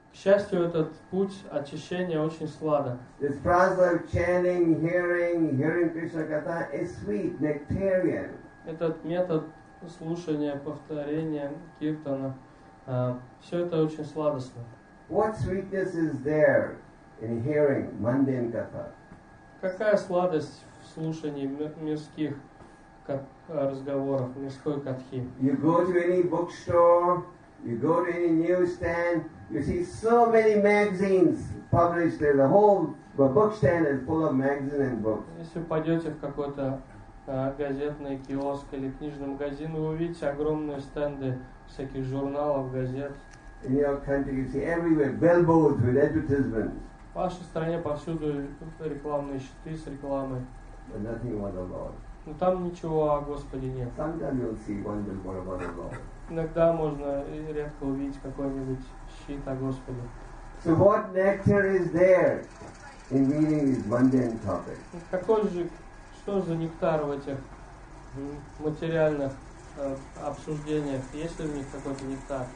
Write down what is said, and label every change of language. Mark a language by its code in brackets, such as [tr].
[ru] К счастью, этот путь очищения очень сладок. [en] This process of chanting, hearing Krishna Katha is sweet, nectarian. [ru] Этот метод слушания, повторения, киртана, все это очень сладостно. [en] What sweetness is there in hearing mundane katha? [ru] Какая сладость в слушании мирских разговоров, мирской катхи? [en] You go to any bookstore, you go to any newsstand, you see so many magazines published there. The whole bookstand is full of magazines and books. [ru] Если пойдете в какой-то газетный киоск или книжный магазин, вы увидите огромные стенды всяких журналов, газет. [en] In your country, you see everywhere billboards with advertisements. [ru] В вашей стране повсюду рекламные щиты с рекламой. [en] But nothing about the Lord. [ru] Но там ничего о Господе нет. [en] Sometimes you'll see one billboard about the Lord. [ru] Иногда можно редко увидеть какой-нибудь щит о Господе. [en] So what nectar is there in meeting these mundane topics? [ru] Какой же, что за нектар в этих материальных обсуждениях? Есть ли в них какой-то нектар?